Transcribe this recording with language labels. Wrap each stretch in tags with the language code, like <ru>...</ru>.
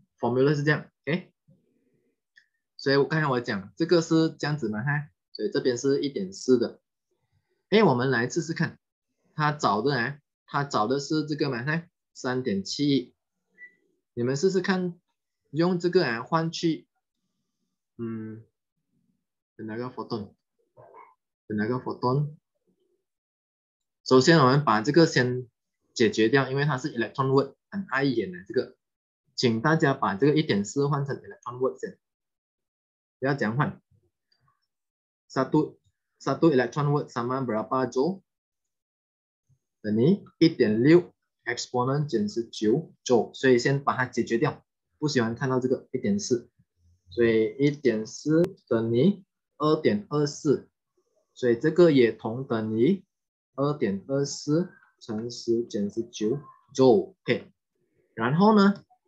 <zh>formula 是这样 ，OK。所以我刚才我讲这个是这样子嘛，哈，所以这边是 1.4 的，哎，我们来试试看，他找的啊，他找的是这个嘛，哈， 3.7 亿，你们试试看用这个啊换去，等那个 photon， 等那个 photon， 首先我们把这个先解决掉，因为它是 electron word， 很碍眼的这个。请大家把这个 1.4 换成 electron volt 先，不要讲换，</zh> <ms>satu electron volt sama berapa joule?</ms> <zh>等于 1.6 exponent 减19 joule， 所以先把它解决掉，不喜欢看到这个 1.4， 所以 1.4 等于 2.24， 所以这个也同等于 2.24 乘10减19 joule，OK， 然后呢？</zh>